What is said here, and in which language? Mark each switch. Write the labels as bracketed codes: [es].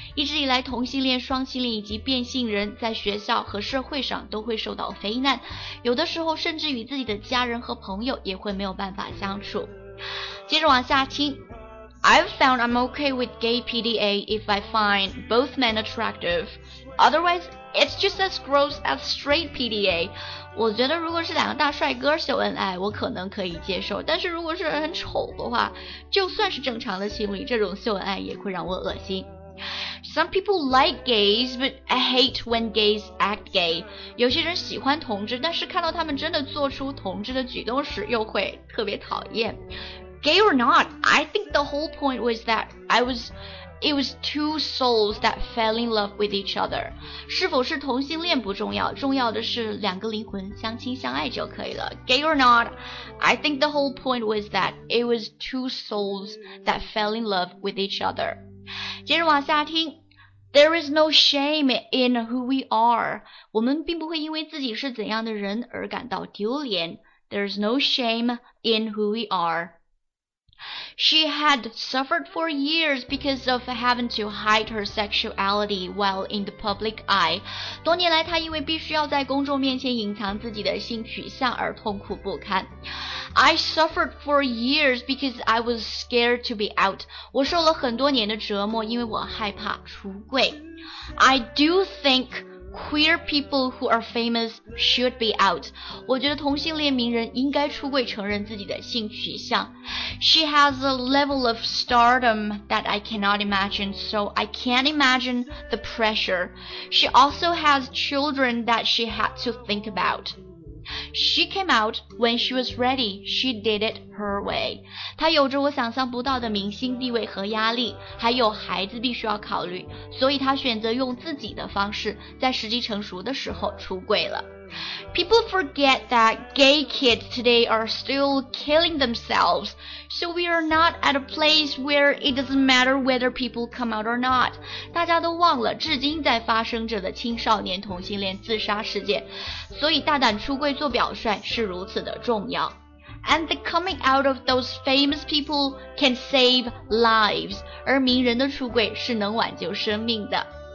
[zh] 一直以来同性恋、双性恋以及变性人在学校和社会上都会受到非难，有的时候甚至与自己的家人和朋友也会没有办法相处。接着往下听。 [en] I've found I'm okay with gay PDA if I find both men attractive. Otherwise, it's just as gross as straight PDA. [zh] 我觉得如果是两个大帅哥秀恩爱，我可能可以接受。但是如果是很丑的话，就算是正常的情侣，这种秀恩爱也会让我恶心。 [en] Some people like gays, but I hate when gays act gay. [zh] 有些人喜欢同志，但是看到他们真的做出同志的举动时，又会特别讨厌。 [en] Gay or not, I think the whole point was that it was two souls that fell in love with each other. [zh] 是否是同性恋不重要，重要的是两个灵魂相亲相爱就可以了。 [en] Gay or not, I think the whole point was that it was two souls that fell in love with each other. [zh] 接着往下听。 [en] There is no shame in who we are. [zh] 我们并不会因为自己是怎样的人而感到丢脸。 [en] There is no shame in who we are. She had suffered for years because of having to hide her sexuality while in the public eye. [zh] 多年来她因为必须要在公众面前隐藏自己的性取向而痛苦不堪。 [en] I suffered for years because I was scared to be out. [zh] 我受了很多年的折磨因为我害怕出柜。 [en] I do think... Queer people who are famous should be out. [zh] 我觉得同性恋名人应该出柜承认自己的性取向。 [en] She has a level of stardom that I cannot imagine, so I can't imagine the pressure. She also has children that she had to think about. She came out when she was ready. She did it her way. [zh] 她有着我想象不到的明星地位和压力，还有孩子必须要考虑，所以她选择用自己的方式，在时机成熟的时候出柜了。 [en] People forget that gay kids today are still killing themselves, so we are not at a place where it doesn't matter whether people come out or not. [zh] 大家都忘了至今在发生着的青少年同性恋自杀事件，所以大胆出柜做表率是如此的重要。 [en] And the coming out of those famous people can save lives, [zh] 而名人的出柜是能挽救生命的。